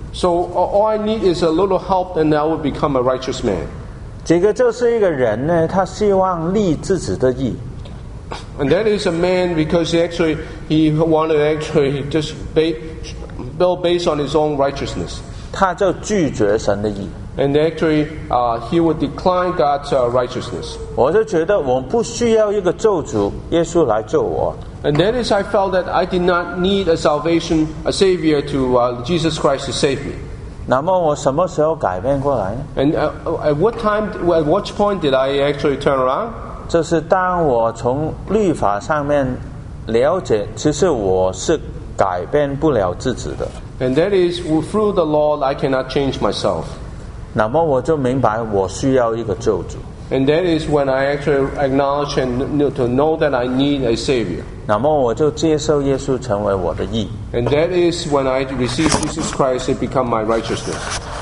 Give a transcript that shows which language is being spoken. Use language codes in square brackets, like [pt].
[en] So all I need is a little help, and I will become a righteous man. [zh] 这个就是一个人呢，他希望立自己的义。 [en] And that is a man because he wanted to build based on his own righteousness. [zh] 他就拒绝神的义。 [en] And actually, he would decline God's righteousness. [zh] 我就觉得我不需要一个救主耶稣来救我。 [en] And that is I felt that I did not need a savior to Jesus Christ to save me. [zh] 那么我什么时候改变过来呢 [en] ？At what point did I actually turn around? [zh] 就是当我从律法上面了解，其实我是。改变不了自己的。 [en] And that is through the law I cannot change myself. [zh] 那么我就明白我需要一个救主。 [en] And that is when I actually acknowledge and to know that I need a savior. [zh] 那么我就接受耶稣成为我的义。 [en] And that is when I receive Jesus Christ and become my righteousness.